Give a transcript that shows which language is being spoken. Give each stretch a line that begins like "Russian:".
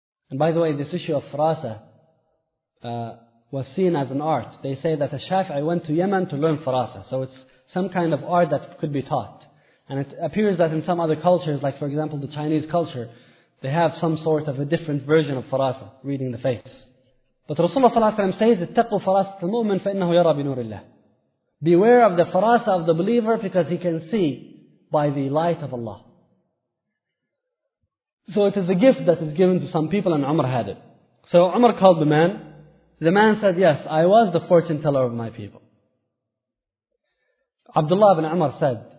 English: And by the way, this issue of farasa was seen as an art. They say that a Shafi'i went to Yemen to learn farasa. So it's some kind of art that could be taught. And it appears that in some other cultures, like for example the Chinese culture, they have some sort of a different version of farasa, reading the face. But Rasulullah ﷺ says,
Arabic: اتَّقُوا فَرَاسَةَ الْمُؤْمِنِ فَإِنَّهُ يَرَى بِنُورِ اللَّهِ.
English: Beware of the farasa of the believer because he can see by the light of Allah. So it is a gift that is given to some people and Umar had it. So Umar called the man. The man said, yes, I was the fortune teller of my people. Abdullah ibn Umar said,